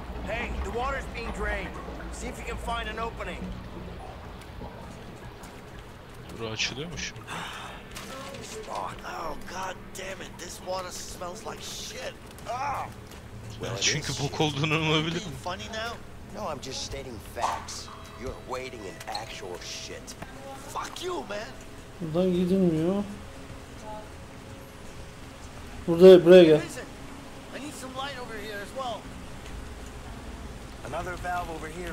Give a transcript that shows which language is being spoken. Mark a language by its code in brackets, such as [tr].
[en] Hey, the water's being drained. See if you can find an opening. [tr] Bura açılıyormuş. [en] Oh, god damn it. This water smells like shit. Ah. [tr] Well, çünkü bok olduğunu anlayabilir miyim? [en] No, I'm just stating facts. You're waiting in actual shit. Fuck you, man. [tr] Buradan gidilmiyor. Burada, buraya gel. [en] I need some light over here as well. Another valve over here.